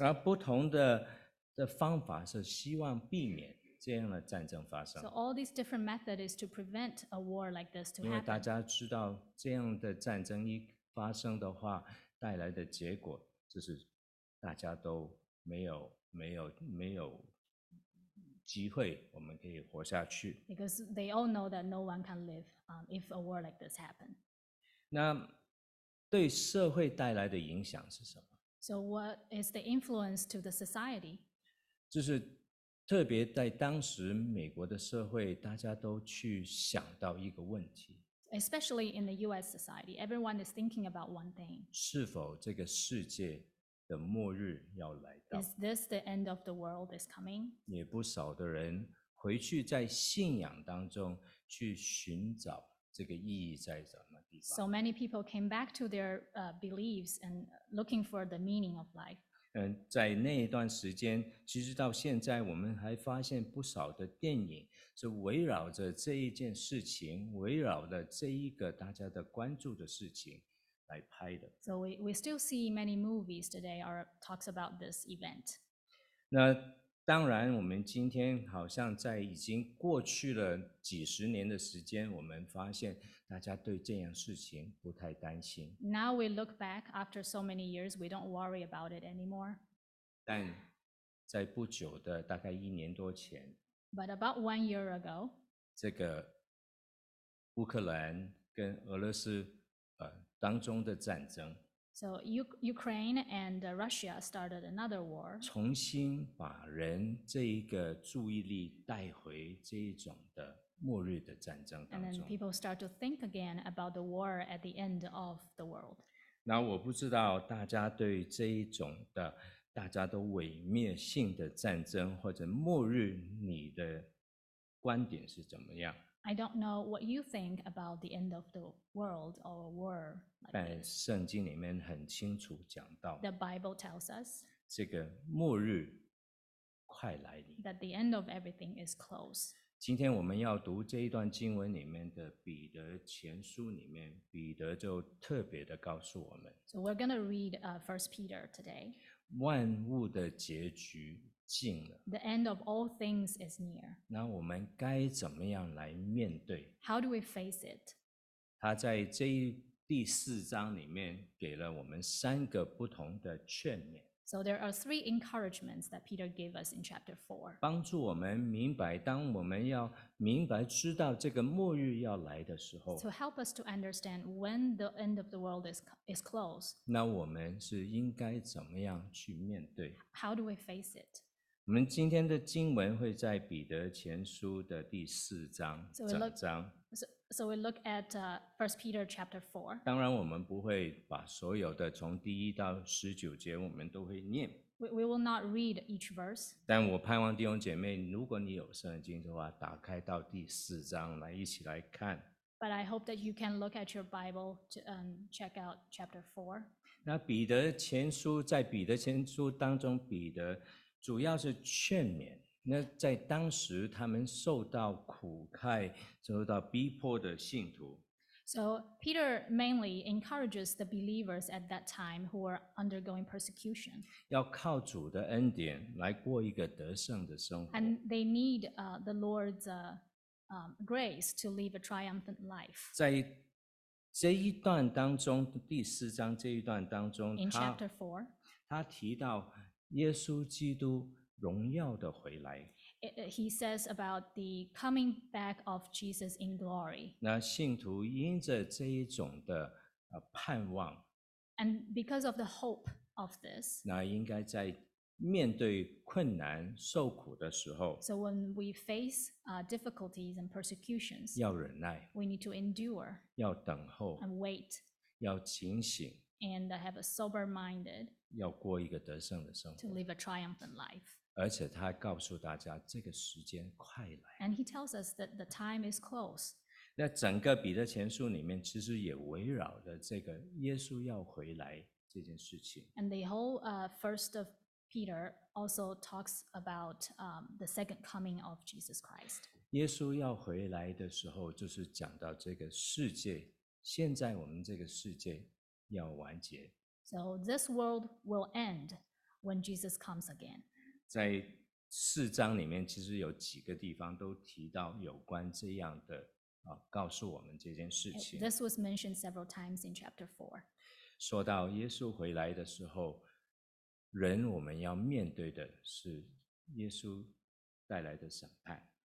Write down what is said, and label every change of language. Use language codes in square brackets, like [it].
[zh] 而不同的方法是希望避免这样的战争发生。 [en] So all these different methods is to prevent a war like this to happen. [zh] 因为大家知道这样的战争一发生的话，带来的结果就是大家都。没有机会我们可以活下去。 [en] Because they all know that no one can live if a war like this happened. [zh] 那对社会带来的影响是什么？ [en] So what is the influence to the society? [zh] 就是特别在当时美国的社会，大家都去想到一个问题。 [en] Especially in the U.S. society, everyone is thinking about one thing. [zh] 是否这个世界的末日要来到。 [en] Is this the end of the world is coming? [zh] 也不少的人回去在信仰当中去寻找这个意义在什么地方。 [en] So many people came back to their beliefs and looking for the meaning of life. [zh] 在那一段时间，其实到现在我们还发现不少的电影是围绕着这一件事情，围绕着这一个大家的关注的事情。来拍的。 [en] So we still see many movies today or talks about this event. [zh] 那当然我们今天好像在已经过去了几十年的时间，我们发现大家对这样事情不太担心。 [en] Now we look back after so many years, we don't worry about it anymore. [zh] 但在不久的大概一年多前。 [en] But about 1 year ago, [zh] 这个乌克兰跟俄罗斯当中的战争。 [en] So Ukraine and Russia started another war. [zh] 重新把人这一个注意力带回这一种的末日的战争当中。 [en] And then people start to think again about the war at the end of the world. [zh] 那我不知道大家对这一种的大家都毁灭性的战争或者末日，你的观点是怎么样？ [en] I don't know what you think about the end of the world or a war. [zh] 但圣经里面很清楚讲到 [en] ，The Bible tells us [zh] 这个末日快来临 [en] ，That the end of everything is close. [zh] 今天我们要读这一段经文里面的彼得前书里面，彼得就特别的告诉我们 [en] ，So we're gonna read First Peter today. [zh] 万物的结局。近了。 [en] The end of all things is near. [zh] 那我们该怎么样来面对？ [en] How do we face it? [zh] 他在这一第四章里面给了我们三个不同的劝勉。 [en] So there are three encouragements that Peter gave us in chapter 4. [zh] 帮助我们明白，当我们要明白知道这个末日要来的时候。 [en] To help us to understand when the end of the world is close. [zh] 那我们是应该怎么样去面对？ [en] How do we face it? [zh] 我们今天的经文会在彼得前书的第四章整章。 [en] So we look at First Peter chapter 4. [zh] 当然我们不会把所有的从第一到十九节我们都会念。 [en] We will not read each verse. [zh] 但我盼望弟兄姐妹，如果你有圣经的话，打开到第四章来一起来看。 [en] But I hope that you can look at your Bible to check out chapter 4. [zh] 那彼得前书，在彼得前书当中，彼得主要是劝勉，那在当时他们受到苦害、受到逼迫的信徒。 [en] So Peter mainly encourages the believers at that time who were undergoing persecution. [zh] 要靠主的恩典来过一个得胜的生活。 [en] And they need the Lord's grace to live a triumphant life. [zh] 在这一段当中，第四章这一段当中， [en] in chapter 4, [zh] 他提到耶稣基督荣耀的回来。 [en] He says about the coming back of Jesus in glory. [zh] 那信徒因着这一种的盼望， [en] and because of the hope of this, [zh] 那应该在面对困难受苦的时候， [en] so when we face difficulties and persecutions, [zh] 要忍耐， [en] we need to endure, [zh] 要等候， [en] and wait, [zh] 要警醒， [en] and have a sober minded, [zh] 要过一个得胜的生活， [en] to live a triumphant life. [zh] 而且他告诉大家这个时间快来。 [en] And he tells us that the time is close. [zh] 那整个彼得前书里面其实也围绕着这个耶稣要回来这件事情。 [en] And the whole first of Peter also talks about the second coming of Jesus Christ. [zh] 耶稣要回来的时候就是讲到这个世界，现在我们这个世界要完结。 [en] So this world will end when Jesus comes again. [zh] 在四章里面其实有几个地方都提到有关这样的告诉我们这件事情。 [en] This was mentioned several times in chapter 4. [zh] 说到耶稣回来的时候，人我们要面对的是耶稣带来的审判。